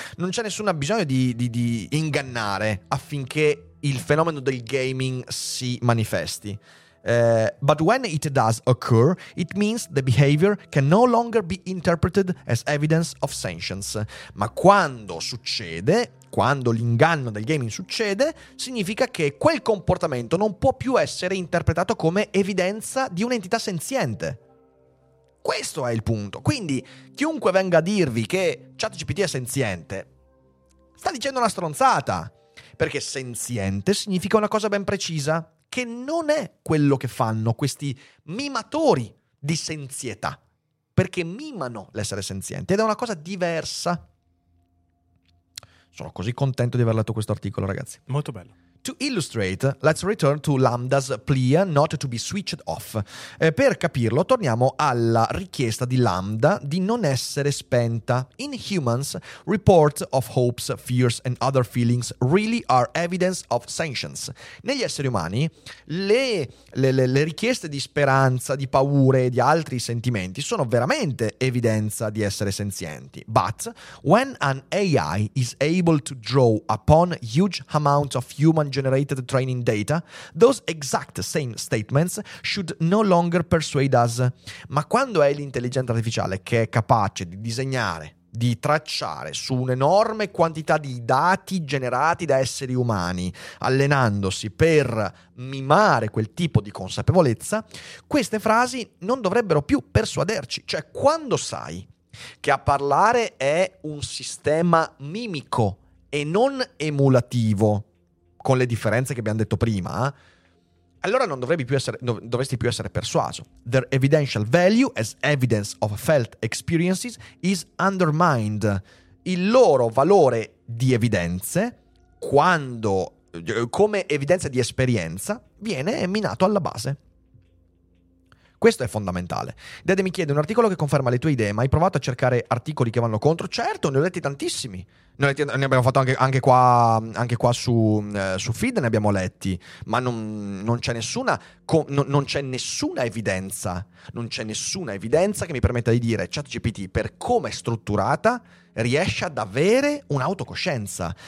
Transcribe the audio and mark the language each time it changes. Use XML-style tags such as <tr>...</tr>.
<it>Non c'è nessuna bisogno di ingannare affinché il fenomeno del gaming si manifesti.</it> <en>But when it does occur, it means the behavior can no longer be interpreted as evidence of sentience.</en> <it>Ma quando succede, quando l'inganno del gaming succede, significa che quel comportamento non può più essere interpretato come evidenza di un'entità senziente. Questo è il punto. Quindi, chiunque venga a dirvi che ChatGPT è senziente, sta dicendo una stronzata. Perché senziente significa una cosa ben precisa, che non è quello che fanno questi mimatori di senzietà, perché mimano l'essere senziente, ed è una cosa diversa. Sono così contento di aver letto questo articolo, ragazzi. Molto bello.</it> <en>To illustrate, let's return to Lambda's plea not to be switched off.</en> <it>Per capirlo, torniamo alla richiesta di Lambda di non essere spenta.</it> <en>In humans, reports of hopes, fears and other feelings really are evidence of sentience.</en> <it>Negli esseri umani, le richieste di speranza, di paure e di altri sentimenti sono veramente evidenza di essere senzienti.</it> <en>But when an AI is able to draw upon huge amounts of human generated training data, those exact same statements should no longer persuade us.</en> <it>Ma quando è l'intelligenza artificiale che è capace di disegnare, di tracciare su un'enorme quantità di dati generati da esseri umani, allenandosi per mimare quel tipo di consapevolezza, queste frasi non dovrebbero più persuaderci. Cioè, quando sai che a parlare è un sistema mimico e non emulativo, con le differenze che abbiamo detto prima, allora non dovrebbe più essere, dovresti più essere persuaso.</it> <en>Their evidential value as evidence of felt experiences is undermined.</en> <it>Il loro valore di evidenze, quando come evidenza di esperienza, viene minato alla base. Questo è fondamentale. Dede mi chiede: un articolo che conferma le tue idee, ma hai provato a cercare articoli che vanno contro? Certo, ne ho letti tantissimi. Ne abbiamo fatto anche qua su feed, ne abbiamo letti, ma non c'è nessuna evidenza che mi permetta di dire: ChatGPT, per come è strutturata, riesce ad avere un'autocoscienza.</it>